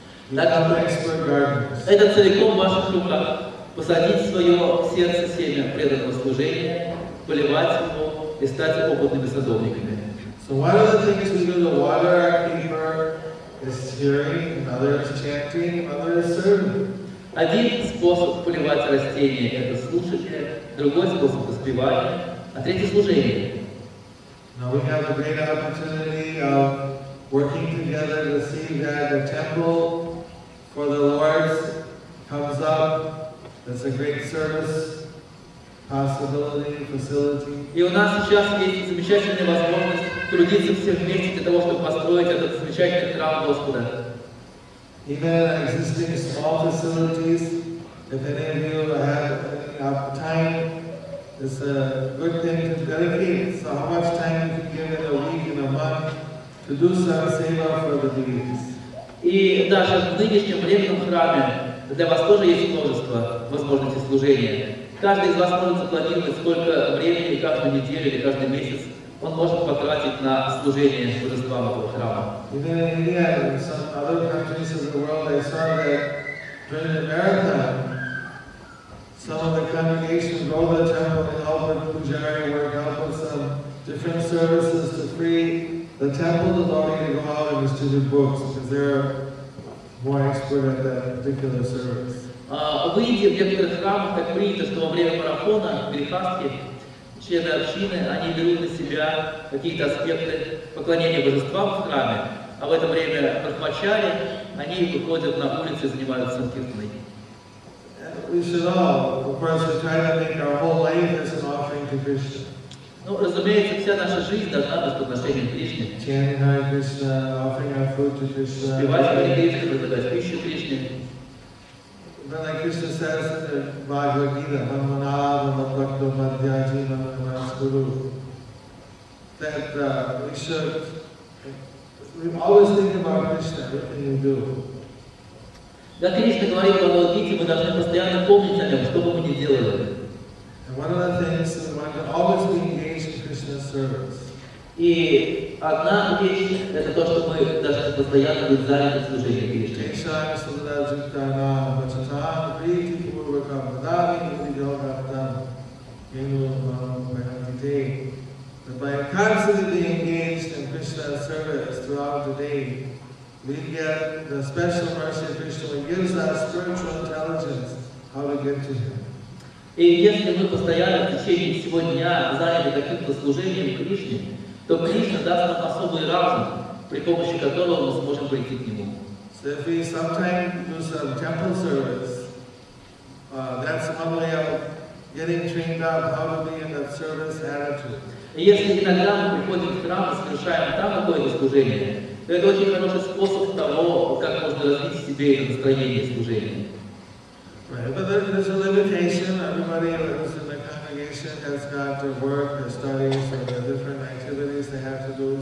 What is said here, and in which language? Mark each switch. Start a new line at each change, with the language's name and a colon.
Russian: Это целиком в ваших руках. Посадить в свое сердце семя преданного служения, поливать его и стать опытными садовниками.
English: So one of the things we do to water our keeper is hearing, another is chanting, another is serving.
Russian: Один способ поливать растения – это слушание, другой способ – воспевание, а третий – служение.
English: Now we have a great opportunity of working together to see that the temple for the Lord's comes up, that's a great service, possibility, facility.
Russian: И у нас сейчас есть замечательная возможность трудиться все вместе для того, чтобы построить этот замечательный храм Господа.
English: Even existing small facilities, if any of you have time, it's a good thing to dedicate. So how much time you can give in a week, in a month, to do some seva for the deities.
Russian: И даже в нынешнем временном храме для вас тоже есть множество возможностей служения. Каждый из вас может запланировать, сколько времени, каждую неделю или каждый месяц он может потратить на служение божествам этого храма.
English: Even in India, in some other countries of the world, I saw that during the marathon, some of the congregations go to the temple and help with pujari work, help with some different services to free the temple to allow you to go out and distribute books, because they're more expert at that particular service.
Russian: В Индии в некоторых храмах так принято, что во время марафона, грехастки, члены общины, они берут на себя какие-то аспекты поклонения божествам в храме, а в это время прахмачари, они выходят на улицу и занимаются санкиртаной.
English: We should all, of course, we're trying to make our whole life as an offering to Krishna.
Russian: Ну, разумеется, вся наша жизнь должна быть подношением Кришне.
English: Chanting Hare Krishna, offering our food to Krishna.
Russian: Спевать Hare Krishna, предлагать пищу Кришне.
English: But like Krishna says in the Bhagavad Gita,
Sanskrit: Manmanava, Madhakta, Madhyaji, Manmanas Guru,
English: that we should, we always think about Krishna, everything we do.
Russian: Да, Кришна говорит в Бхагавад Гите, мы должны постоянно помнить о нем, что бы мы ни делали.
English: And one of the things is we want to always be engaged in Krishna's service.
Russian: И одна вещь – это то, что мы должны постоянно быть заняты служением Кришне. Кришна, Сурда, Джиктана, Бачатан, Прийти, Пурвака, Мадами, Нити, Йогаттан, Ину, Ману, Бхагавите.
English: But by constantly being engaged in Krishna's service throughout the day, we get the special mercy of Krishna who gives us spiritual intelligence how to get to Him.
Russian: И если мы постоянно в течение всего дня заняты каким-то служением Кришне, то Кришна даст нам особый разум, при помощи которого мы сможем прийти к Нему.
English: So if we sometimes do some temple service, that's one way of getting trained up how to be in that service attitude.
Russian: И если иногда мы приходим в храм и совершаем там какое-то служение, то это очень хороший способ того, как можно развить в себе это настроение служения.
English: Right, but there's a limitation. Everybody who's in the congregation patient has got their work, their studies, or their different activities they have to do.